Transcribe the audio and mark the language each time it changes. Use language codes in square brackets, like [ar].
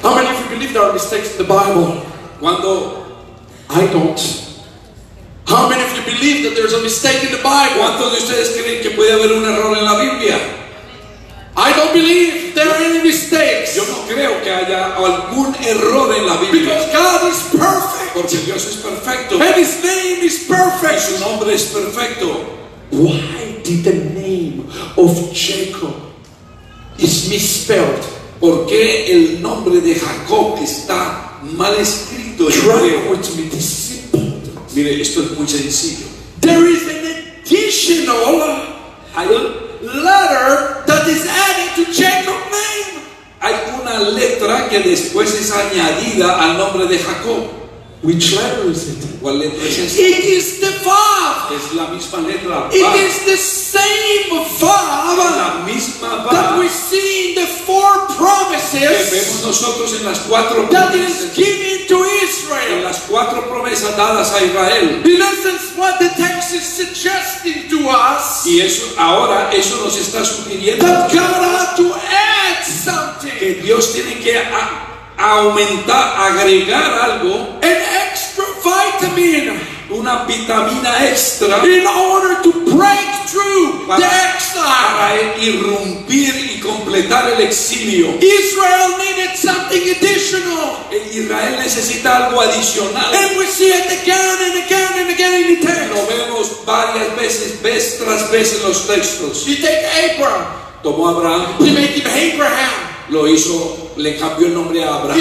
[en] How many of you believe there are mistakes in the Bible? [es] Cuando [en] I don't. How many of you believe that there's a mistake in the Bible? [es] ¿Cuántos de ustedes creen que puede haber un error en la Biblia? [en] I don't believe there are any mistakes. [es] Yo no creo que haya algún error en la Biblia. [en] Because God is perfect. [es] Porque Dios es perfecto. [en] And His name is perfect. [es] Y su nombre es perfecto. [en] Why did the name of Jacob is misspelled? [es] ¿Por qué el nombre de Jacob está mal escrito? [en] Try with me, this is important. [es] Mire, esto es muy sencillo. [en] There is an additional letter that is added to Jacob's name. [es] Hay una letra que después es añadida al nombre de Jacob. [en] Which letter is it? [es] ¿Cuál letra es esta? [en] It is the Vav. [es] Es la misma letra. [en] It is the same Vav. [es] La misma Vav. [en] That we see in the four promises. [es] Que vemos nosotros en las cuatro [en] promesas. That is given to Israel. [es] En las cuatro promesas dadas a Israel. [en] In essence, what the text is suggesting to us. [es] Y eso ahora nos está sugiriendo. [en] That God had to add. [es] que Dios tiene que aumentar, agregar algo, [en] an extra vitamin, [es] una vitamina extra, [en] in order to break through the exile, [es] para irrumpir y completar el exilio. [en] Israel needed something additional. [es] Israel necesita algo adicional. [en] And we see it again and again and again in the text. [es] Lo vemos varias veces, vez tras vez en los textos. [en] You take Abraham. [es] Tomó Abraham. [en] You make him Abraham. [es] Lo hizo, le cambió el nombre a Abraham.